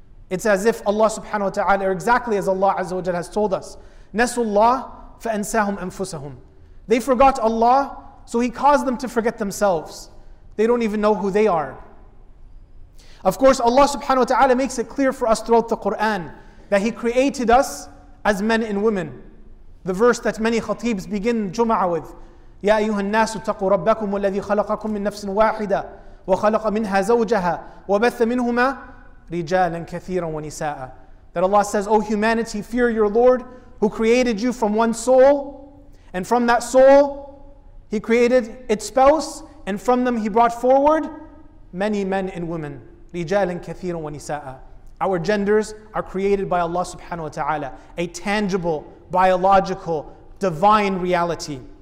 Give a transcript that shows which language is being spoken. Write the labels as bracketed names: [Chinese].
[English] It's as if Allah subhanahu wa ta'ala, or exactly as Allah azza wa jalla has told us, [Arabic] نَسُوا اللَّهَ فَأَنْسَاهُمْ أَنفُسَهُمْ. [English] They forgot Allah, so He caused them to forget themselves. They don't even know who they are. Of course, Allah subhanahu wa ta'ala makes it clear for us throughout the Qur'an that He created us as men and women. The verse that many khatibs begin Jumu'ah with, [Arabic] يَا أَيُّهَا النَّاسُ اتَّقُوا رَبَّكُمُ الَّذِي خَلَقَكُمْ مِنْ نَفْسٍ وَاحِدَةً وَخَلَقَ مِنْهَا زَوْجَهَا وَبَثَّ مِنْهُمَا رِجَالًا كَثِيرًا وَنِسَاءً. [English] That Allah says, O humanity, fear your Lord who created you from one soul, and from that soul He created its spouse, and from them He brought forward many men and women. [Arabic] رِجَالًا كَثِيرًا وَنِسَاءً. [English] Our genders are created by Allah subhanahu wa ta'ala, a tangible, biological, divine reality.